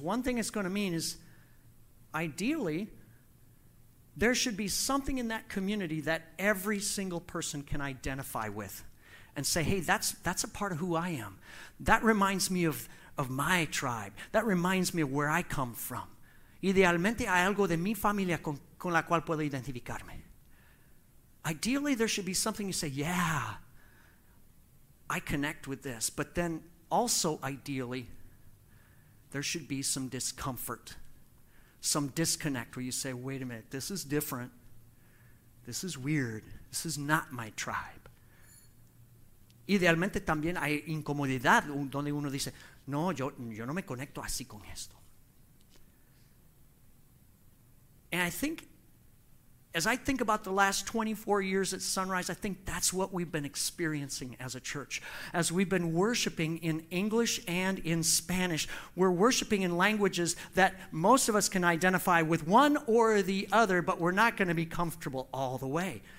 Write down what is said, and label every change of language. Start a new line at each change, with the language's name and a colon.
English: One thing it's going to mean is, ideally, there should be something in that community that every single person can identify with. And say, hey, that's a part of who I am. That reminds me of my tribe. That reminds me of where I come from.
Spanish: Idealmente hay algo de mi familia con la cual puedo identificarme.
English: Ideally, there should be something you say, yeah, I connect with this. But then also, ideally, there should be some discomfort, some disconnect where you say, wait a minute, this is different. This is weird. This is not my tribe.
Spanish: Idealmente también hay incomodidad donde uno dice, no, yo no me conecto así con esto.
English: And I think, as I think about the last 24 years at Sunrise, I think that's what we've been experiencing as a church. As we've been worshiping in English and in Spanish, we're worshiping in languages that most of us can identify with one or the other, but we're not going to be comfortable all the way.